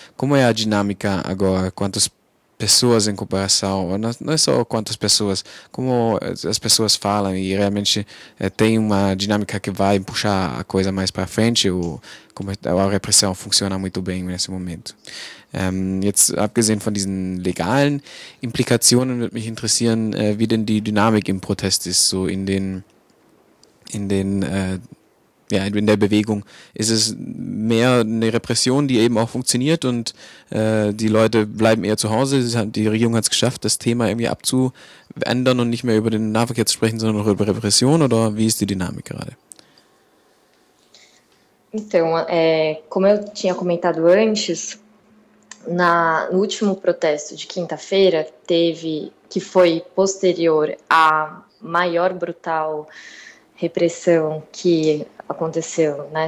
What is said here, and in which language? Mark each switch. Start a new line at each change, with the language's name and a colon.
Portuguese: Como é a dinâmica agora? Quantas pessoas em comparação? Não é só quantas pessoas, como as pessoas falam e realmente tem uma dinâmica que vai puxar a coisa mais para frente ou como a repressão funciona muito bem nesse momento.
German: Jetzt abgesehen von diesen legalen Implikationen würde mich interessieren, wie denn die Dynamik im Protest ist, so in der Bewegung. Ist es mehr eine Repression, die eben auch funktioniert und die Leute bleiben eher zu Hause? Die Regierung hat es geschafft, das Thema irgendwie abzuändern und nicht mehr über den Nahverkehr zu sprechen, sondern auch über Repression, oder wie ist die Dynamik gerade?
Portuguese: Então, como eu tinha comentado antes, no último protesto de quinta-feira, que foi posterior à maior brutal repressão que aconteceu, né?